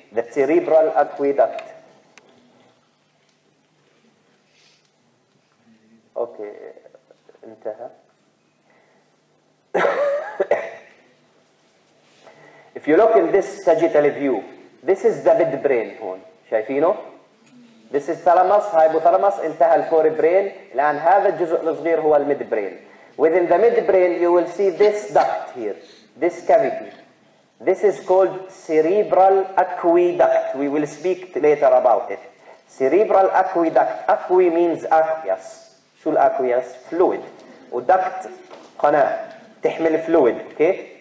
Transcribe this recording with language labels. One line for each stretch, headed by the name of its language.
English: The cerebral aqueduct.
Arabic: Okay. انتهى.
English: If you look in this sagittal view, this is the midbrain هون. شايفينه؟ This is thalamus, hypothalamus,
Arabic: انتهى الفوربرين. الآن هذا الجزء الصغير هو المدبرين.
English: Within the midbrain, you will see this duct here, this cavity. This is called cerebral aqueduct. We will speak later about it. Cerebral aqueduct. Aque means aqueous.
Arabic: شو الأقويس؟ Fluid. وduct قناة تحمل fluid. Okay?